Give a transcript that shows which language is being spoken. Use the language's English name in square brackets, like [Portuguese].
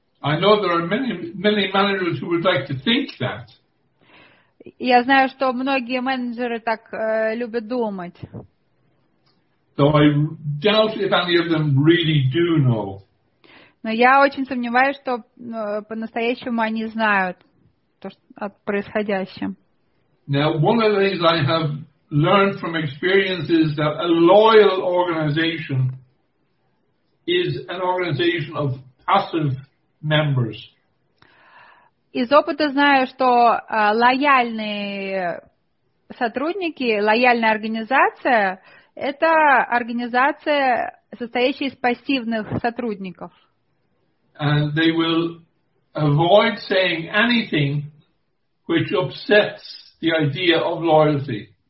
[English] I know there are many, many managers who would like to think that. [Russian] Я знаю, что многие менеджеры так любят думать. [English] So I doubt if any of them really do know. [Russian] Но я очень сомневаюсь, что по-настоящему они знают то, что, о происходящем. [English] Now, one of the things I have learn from experience is that a loyal organization is an organization of passive members. [Russian] Из опыта знаю, что лояльные сотрудники, лояльная организация – это организация, состоящая из пассивных сотрудников. [English] And they will avoid saying anything which upsets the idea of loyalty.